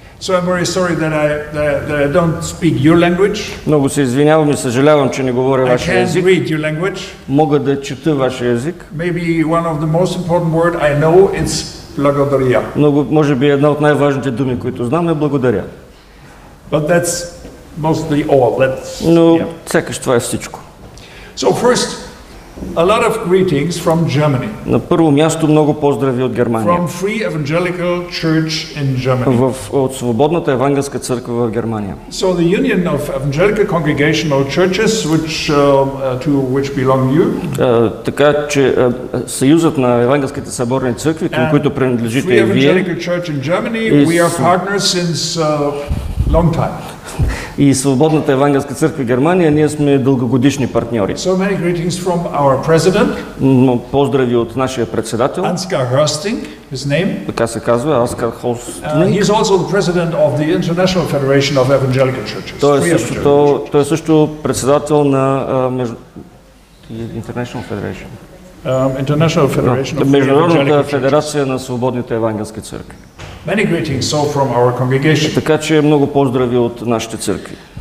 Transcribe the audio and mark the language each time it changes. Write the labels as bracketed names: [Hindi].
[English] So I'm very sorry that I don't speak your language. [Bulgarian] Много се извинявам и съжалявам, че не говоря вашия език. [English] I can't read your language. [Bulgarian] Мога да чета вашия език. [English] Maybe one of the most important word I know is благодаря. [Bulgarian] Много, може би една от най-важните думи, които знам, е благодаря. [English] But that's mostly all. [Bulgarian] Но сякаш това е всичко. [English] So first, a lot of greetings from Germany. [Bulgarian] На първо място много поздрави от Германия. [English] From Free Evangelical Church in Germany. [Bulgarian] От Свободната евангелска църква в Германия. [English] So the Union of Evangelical Congregational Churches, to which belong you. [Bulgarian] Така че съюзът на евангелските съборни църкви, към които принадлежите вие. [English] Free Evangelical Church in Germany, we are partners since long time. [Bulgarian] И Свободната евангелска църква Германия, ние сме дългогодишни партньори. [English] So many greetings from our president. [Bulgarian] Поздрави от нашия председател. [English] Ансгар Хостинг, his name. [Bulgarian] Така се казва, Ансгар Хостинг. [English] He is also the president of the International Federation of Evangelical Churches. [Bulgarian] Той е също председател на International Federation. [English] International Federation. [Bulgarian] Международната федерация на свободните евангелски църкви. [English] Many greetings so from our congregation. [Bulgarian] Така че много поздрави от нашите църкви.